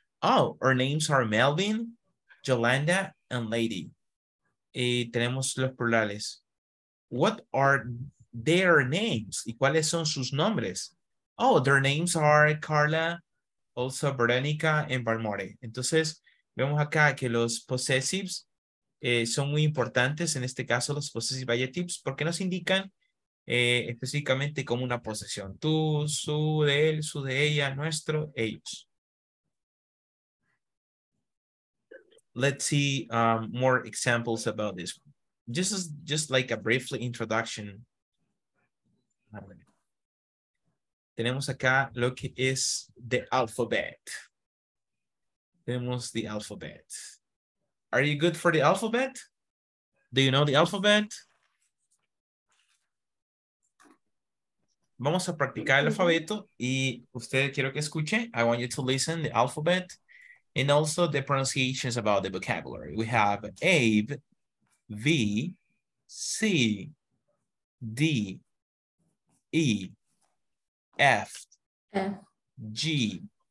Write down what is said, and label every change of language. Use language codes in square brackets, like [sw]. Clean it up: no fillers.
[en] Oh, our names are Melvin, Yolanda, and Lady. [es] Y tenemos los plurales. [en] What are their names? [es] ¿Y cuáles son sus nombres? [en] Oh, their names are Carla, also Veronica, and Valmore. [es] Entonces, vemos acá que los possessives son muy importantes. En este caso, los possessive adjectives, porque nos indican específicamente como una posesión. Tú, su, de él, su, de ella, nuestro, ellos. [en] Let's see more examples about this. This is just like a brief introduction. [es] Tenemos acá lo que es the alphabet. Tenemos the alphabet. [en] Are you good for the alphabet? Do you know the alphabet? [es] Vamos a practicar el alfabeto y usted quiero que escuche. [en] I want you to listen the alphabet and also the pronunciations about the vocabulary. We have A, V, C, D, E, F, G,